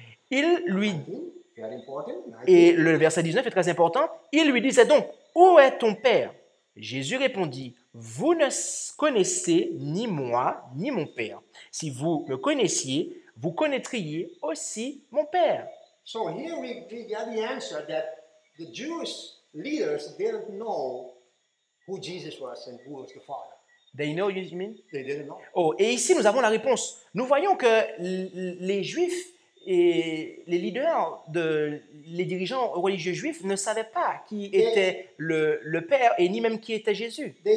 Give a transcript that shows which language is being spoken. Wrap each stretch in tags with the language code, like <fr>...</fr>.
<fr>Il lui dit... Et le verset 19 est très important. Il lui disait donc, « Où est ton Père ?» Jésus répondit, « Vous ne connaissez ni moi, ni mon Père. Si vous me connaissiez, vous connaîtriez aussi mon Père. »</fr> <en>So here we get the answer that the Jewish leaders didn't know who Jesus was and who was the Father. They know what you mean? They didn't know.</en> <fr>Oh, et ici nous avons la réponse. Nous voyons que les Juifs et les leaders, les dirigeants religieux juifs ne savaient pas qui était le Père et ni même qui était Jésus.</fr>